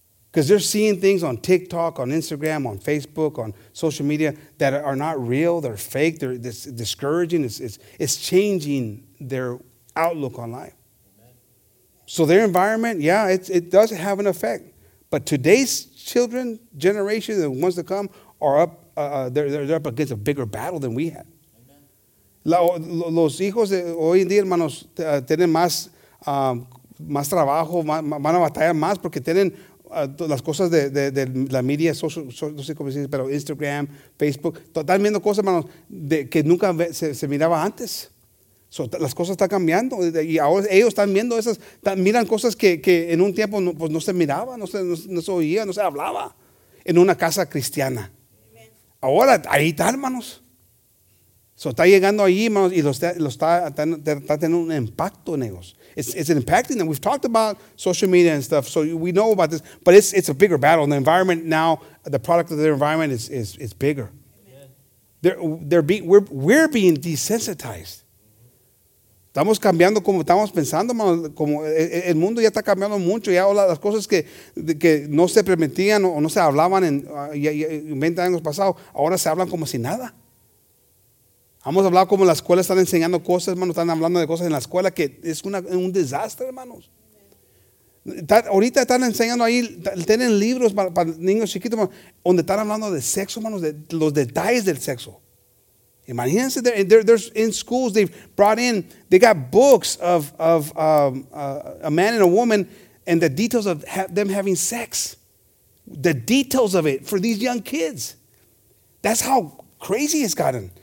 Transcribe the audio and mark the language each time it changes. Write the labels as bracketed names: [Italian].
[English] Because they're seeing things on TikTok, on Instagram, on Facebook, on social media that are not real, they're fake, they're discouraging. It's changing their outlook on life. So their environment, yeah, it does have an effect. But today's children, generation, the ones to come, are up, they're up against a bigger battle than we had. [Spanish] Los hijos de hoy en día, hermanos, tienen más más trabajo, van a batallar más porque tienen las cosas de la media social, no sé cómo se dice, pero Instagram, Facebook, están viendo cosas, hermanos, que nunca se miraba antes. So, las cosas están cambiando y ahora ellos están viendo esas, miran cosas que en un tiempo no, pues no se miraba, no se oía, no se hablaba en una casa cristiana. Ahora ahí está, hermanos. So, está llegando ahí, hermanos, y está teniendo un impacto en ellos. [English] It's impacting them. We've talked about social media and stuff, so we know about this, but it's a bigger battle. And the environment now, the product of their environment is bigger. We're being desensitized. [Spanish] Estamos cambiando como estamos pensando, hermanos, como el mundo ya está cambiando mucho. Ya las cosas que no se permitían o no se hablaban en 20 años pasados, ahora se hablan como si nada. Vamos a hablar como la escuela están enseñando cosas, hermanos, están hablando de cosas en la escuela que es un desastre, hermanos. Ahorita están enseñando ahí, tienen libros para niños chiquitos, hermanos, donde están hablando de sexo, hermanos, de los detalles del sexo. Imagínense, [English] they're in schools, they've brought in, they got books of a man and a woman and the details of them having sex. The details of it for these young kids. That's how crazy it's gotten.